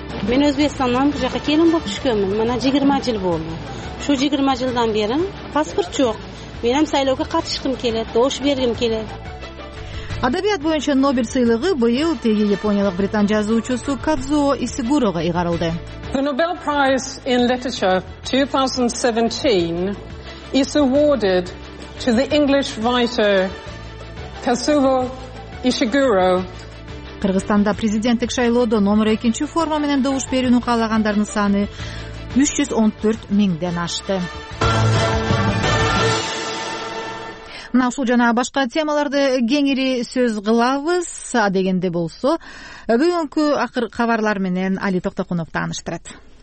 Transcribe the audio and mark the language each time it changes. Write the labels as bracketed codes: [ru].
[ky] Мен Өзбекстандан бул жака келин болуп түшкөнмүн. Мына 20 жыл болду. Ушу 20 жылдан бери паспорт жок. Мен ам шайлоого катышкым келет, добуш бергим келет. Адабият боюнча Нобель сыйлыгы быйыл теги Япониялык британ жазуучусу Кадзуо Исигурого ыйгарылды. [en] The Nobel Prize in Literature 2017 is awarded to the English writer Kazuo Ishiguro. [ky] Кыргызстанда президенттик шайлоодо номер 2-чи форма менен добуш берүүнү каалагандардын саны 314 миңден ашты. Мына ушул жана башка темаларды кеңири сөз кылабыз, а дегенде болсо, бүгүнкү акыр кабарлар менен Али Токтокунов тааныштырат.